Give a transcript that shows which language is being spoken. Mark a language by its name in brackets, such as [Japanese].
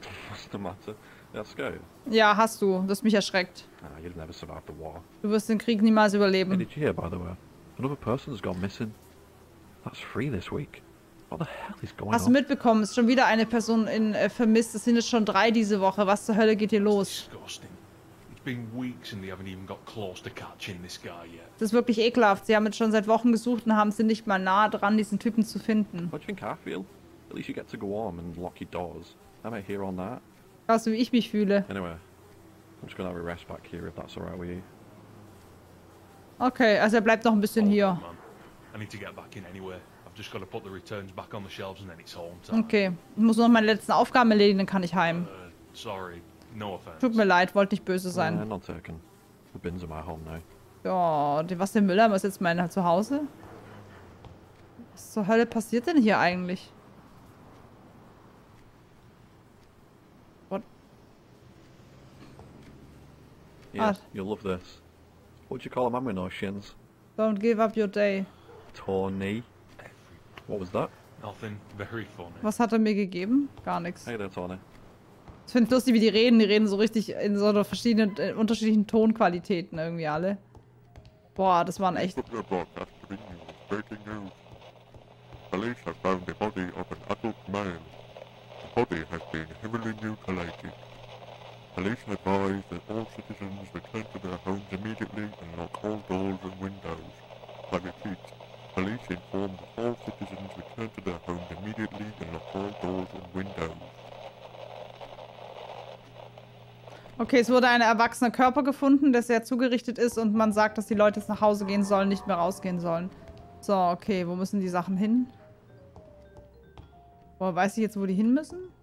[English] What's the matter? Let's go. [German] Ja, hast du. Du hast mich erschreckt. [English] You'll never survive the war. [German] Du wirst den Krieg niemals überleben. [English] Hey, did you hear, by the way? Another person's gone missing. That's three this week. What the hell is going on? [German] Hast du mitbekommen? Ist schon wieder eine Person in vermisst. Es sind jetzt schon drei diese Woche. Was zur Hölle geht hier los? [English] It's been weeks and they haven't even got close to catching this guy yet. [German] Das ist wirklich ekelhaft. Sie haben jetzt schon seit Wochen gesucht und haben sie nicht mal nah dran, diesen Typen zu finden. [English] What do you think I feel? At least you get to go on and lock your doors. Am I here on that? [German] Weißt du, wie ich mich fühle? [English] Anyway, I'm just gonna have a rest back here, if that's alright with you. [German] Okay, also er bleibt noch ein bisschen hier. [English] I need to get back in anyway. I've just gotta put the returns back on the shelves and then it's home time. [German] Okay, ich muss noch meine letzten Aufgaben erledigen, dann kann ich heim. [English] Sorry, no offense. [German] Tut mir leid, wollte nicht böse sein. [English] Not taken. The bins are my home now. [German] Oh, was der Müller, was ist jetzt mein Zuhause? Was zur Hölle passiert denn hier eigentlich? [English] Yeah, you'll love this. What do you call a man with no shins? Don't give up your day. Tony. What was that? Nothing. Very funny. [German] Was hat mir gegeben? Gar nichts. [English] Hey there, Tony. [German] Ich finde es lustig, wie die reden. Die reden so richtig in so verschiedenen, in unterschiedlichen Tonqualitäten irgendwie alle. Boah, das waren echt... [English] Breaking news. Police have found the body of an adult man. The body has been heavily mutilated. Police advise that all citizens return to their homes immediately and lock all doors and windows. I repeat, police inform that all citizens return to their homes immediately and lock all doors and windows. [German] Okay, es wurde ein erwachsener Körper gefunden, der sehr zugerichtet ist und man sagt, dass die Leute jetzt nach Hause gehen sollen, nicht mehr rausgehen sollen. So, okay, wo müssen die Sachen hin? Boah, weiß ich jetzt, wo die hin müssen?